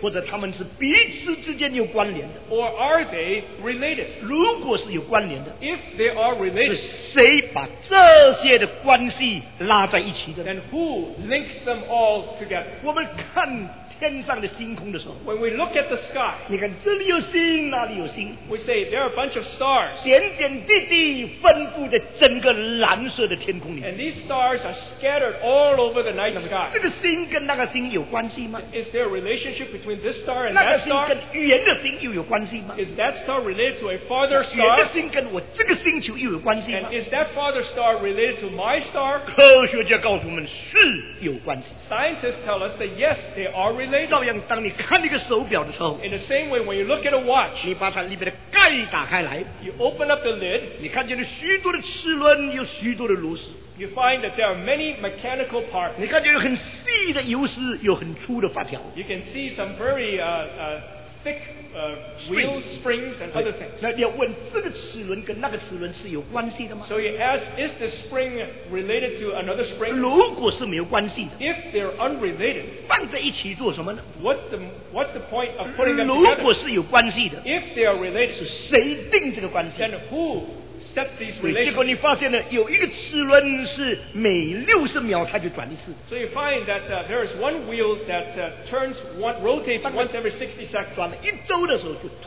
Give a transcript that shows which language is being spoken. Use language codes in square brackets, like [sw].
[en] Or are they related? If they are related, then who linked them all together? When we look at the sky, [zh] 你看这里有星, 那里有星, [en] we say there are a bunch of stars, [zh] 点点滴滴分布在整个蓝色的天空里, [en] and these stars are scattered all over the night sky. [zh] 这个星跟那个星有关系吗? [en] Is there a relationship between this star and that star? [zh] 那个星跟圆的星又有关系吗? [en] Is that star related to a farther star? [zh] 圆的星跟我这个星球又有关系吗? [en] And is that farther star related to my star? [zh] 科学家告诉我们, [en] scientists tell us that yes, they are related. In the same way, when you look at a watch, [zh] 你把它里面的盖打开来, [en] you open up the lid, [zh] 你看见了许多的齿轮, [en] you find that there are many mechanical parts. [zh] 你看见有很细的油丝, [en] you can see some very thick wheel springs and other things. So you ask, is this spring related to another spring? [zh] 如果是没有关系的, [en] if they're unrelated, [zh] 放在一起做什么呢? [en] What's the point of putting them together? [zh] 如果是有关系的, [en] if they are related, [zh] 是谁定这个关系? [en] Then who set these relations? [zh] 结果你发现了, 有一个齿轮是每60秒它就转一次。 So you find that there is one wheel that turns one, rotates once every 60 seconds.